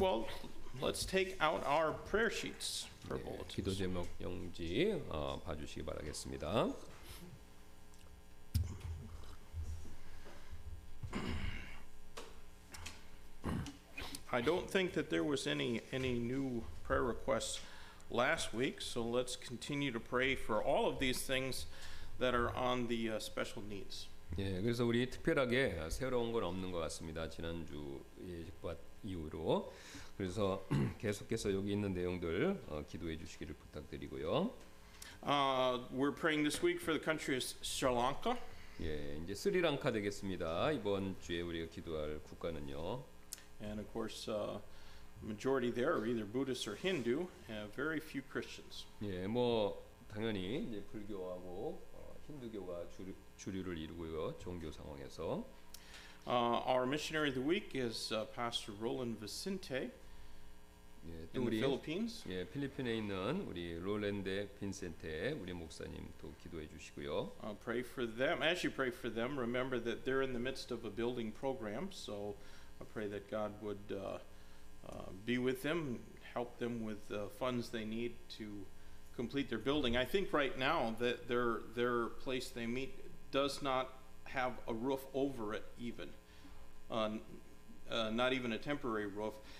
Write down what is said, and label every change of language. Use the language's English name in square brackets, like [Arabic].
[English] Well, let's take out our prayer sheets for bulletins. [Korean] 기도 제목 용지 봐주시기 바라겠습니다. [English] I don't think that there was any new prayer requests last week, so let's continue to pray for all of these things that are on the special needs. [Korean] 예, 그래서 우리 특별하게 새로운 건 없는 것 같습니다. 지난주 이후로. 그래서 계속해서 여기 있는 내용들 기도해 주시기를 부탁드리고요. [English] We're praying this week for the country of Sri Lanka. [Korean] 예, 이제 스리랑카 되겠습니다. 이번 주에 우리가 기도할 국가는요. [English] And of course, majority there are either Buddhists or Hindu, and very few Christians. [Korean] 예, 뭐 당연히 이제 불교하고 힌두교가 주류를 이루고요. 종교 상황에서. [English] Our missionary of the week is Pastor Roland Vicente. [Korean] 예, 또 우리 Philippines. 예, 필리핀에 있는 우리 롤랜드 빈센테 우리 목사님도 기도해 주시고요. [English] Pray for them. As you pray for them, remember that they're in the midst of a building program. So I pray that God would be with them, help them with the funds they need to complete their building. I think right now that their place they meet does not have a roof over it, even not even a temporary roof.